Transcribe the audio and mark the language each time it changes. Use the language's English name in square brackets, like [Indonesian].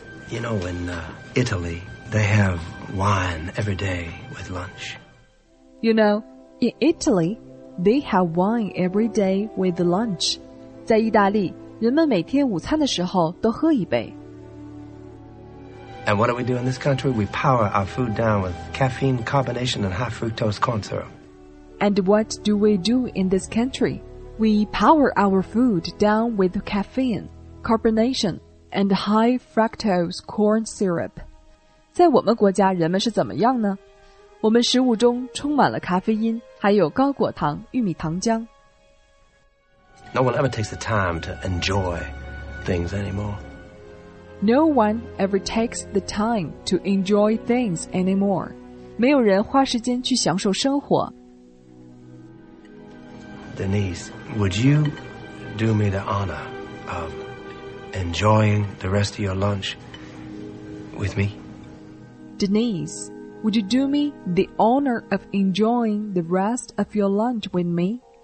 [English] You know, in Italy, they have wine every day with lunch. You know, in Italy, they have wine every day with lunch. [Chinese] 在意大利，人们每天午餐的时候都喝一杯。 [English] And what do we do in this country? We power our food down with caffeine, carbonation, and high fructose corn syrup. And what do we do in this country? We power our food down with caffeine, carbonation, and high fructose corn syrup. [Chinese] 在我们国家人们是怎么样呢？我们食物中充满了咖啡因，还有高果糖、玉米糖浆。 [English] No one ever takes the time to enjoy things anymore. No one ever takes the time to enjoy things anymore. [Chinese] 没有人花时间去享受生活。 [English] Denise, would you do me the honor of enjoying the rest of your lunch with me? Denise, would you do me the honor of enjoying the rest of your lunch with me?